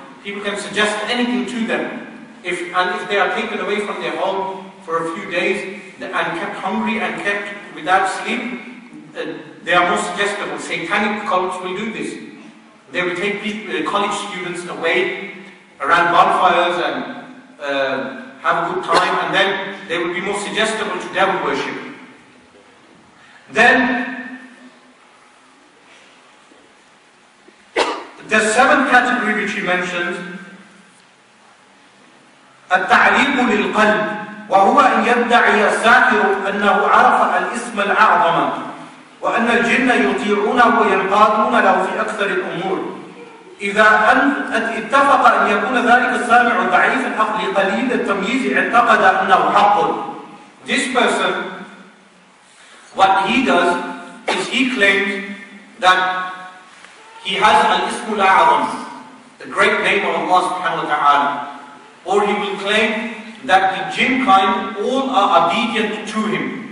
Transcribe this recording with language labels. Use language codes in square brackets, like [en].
[en] People can suggest anything to them. If they are taken away from their home for a few days and kept hungry and kept without sleep, they are more suggestible. Satanic cults will do this. They will take college students away around bonfires and have a good time, and then they will be more suggestible to devil worship. Then, the seventh category which he mentioned, [ar] التعليق للقلب وهو أن يدعي الساحر أنه عرف الاسم الأعظم وأن الجن يطيعون وينقادون له في أكثر الأمور. إذا اتفق أن يكون ذلك السامع ضعيف العقل قليل التمييز اعتقد أنه حق. [en] This person, what he does is he claims that he has al-ismu al-a'zam, the great name of Allah subhanahu wa ta'ala. Or he will claim that the jinn kind all are obedient to him.